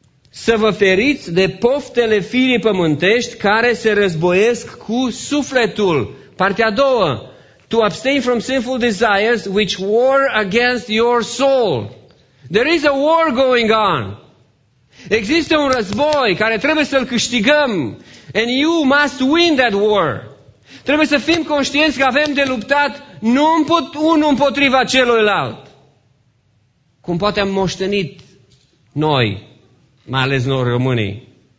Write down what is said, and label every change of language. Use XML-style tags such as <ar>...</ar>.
<ro>Să vă feriți de poftele firii pământești care se războiesc cu sufletul. Partea a doua.</ro> <en>To abstain from sinful desires which war against your soul. There is a war going on.</en> <ro>Există un război care trebuie să-l câștigăm.</ro> <en>And you must win that war.</en> <ro>Trebuie să fim conștienți că avem de luptat nu unul împotriva celuilalt. Cum poate am moștenit noi, mai ales noi românii.</ro>